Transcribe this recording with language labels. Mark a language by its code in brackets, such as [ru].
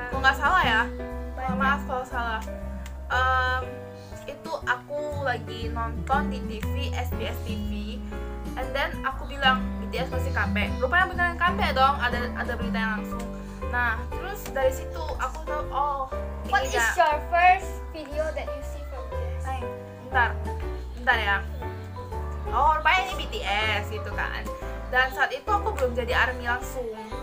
[id] kok gak salah ya? Maaf kalau salah. Itu aku lagi nonton di TV, SBS TV. [en] And then [id] aku bilang BTS pasti comeback. Rupanya beneran comeback dong, ada berita yang langsung. Nah, terus dari situ aku tahu, oh. [en] What is gak your first video that you see from BTS? [id] Bentar ya. Oh, rupanya ini BTS gitu kan. Dan saat itu aku belum jadi ARMY langsung.